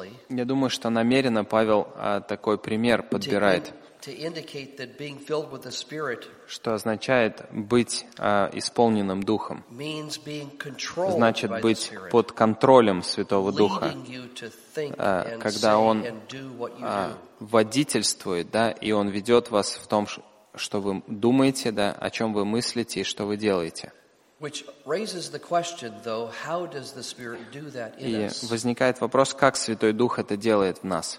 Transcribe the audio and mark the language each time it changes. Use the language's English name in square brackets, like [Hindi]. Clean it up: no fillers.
[Russian] Я думаю, что намеренно Павел такой пример подбирает. [English] To indicate that being filled with the Spirit, [Russian] что означает быть исполненным Духом, [English] means being controlled, [Russian] значит быть под контролем Святого Духа, [English] leading you to think and [Russian] когда Он водительствует, да, и Он ведет вас в том, что вы думаете, да, о чем вы мыслите и что вы делаете. [English] Which raises the question, though, how does the Spirit do that in us? [Russian] И возникает вопрос, как Святой Дух это делает в нас?